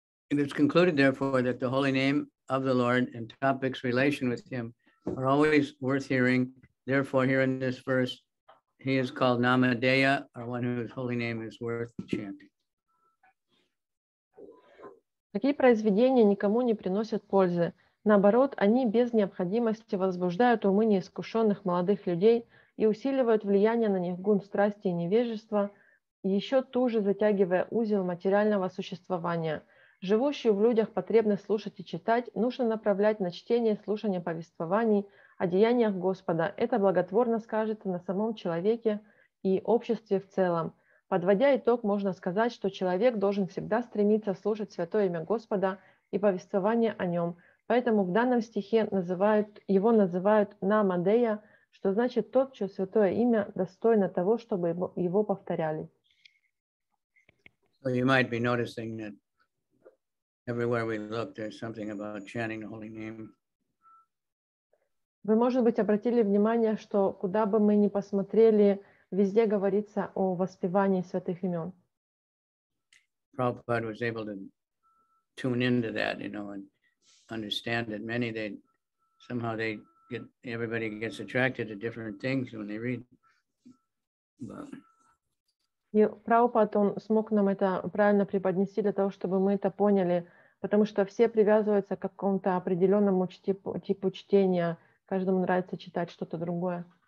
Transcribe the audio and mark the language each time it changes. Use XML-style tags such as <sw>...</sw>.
<en>It is concluded, therefore, that the holy name of the Lord and topics relation with him are always worth hearing. Therefore, here in this verse, he is called Namadeya, or one whose holy name is worth chanting.</en> <ru>Такие произведения никому не приносят пользы. Наоборот, они без необходимости возбуждают умы неискушенных молодых людей и усиливают влияние на них гун страсти и невежества, еще туже затягивая узел материального существования. Живущую в людях потребность слушать и читать нужно направлять на чтение и слушание повествований о деяниях Господа. Это благотворно скажется на самом человеке и обществе в целом. Подводя итог, можно сказать, что человек должен всегда стремиться слушать святое имя Господа и повествование о нем. Поэтому в данном стихе его называют Намадея, что значит тот, чье святое имя достойно того, чтобы его повторяли.</ru> <en>So you might be noticing that everywhere we look, there's something about chanting the holy name.</en> <ru>Вы, может быть, обратили внимание, что куда бы мы ни посмотрели, везде говорится о воспевании святых имен.</ru> <en>Prabhupada was able to tune into that, you know, and understand that many, they somehow they get, everybody gets attracted to different things when they read. But...</en> <ru>И Прабхупад, он смог нам это правильно преподнести для того, чтобы мы это поняли, потому что все привязываются к какому-то определенному типу чтения. Каждому нравится читать что-то другое.</ru>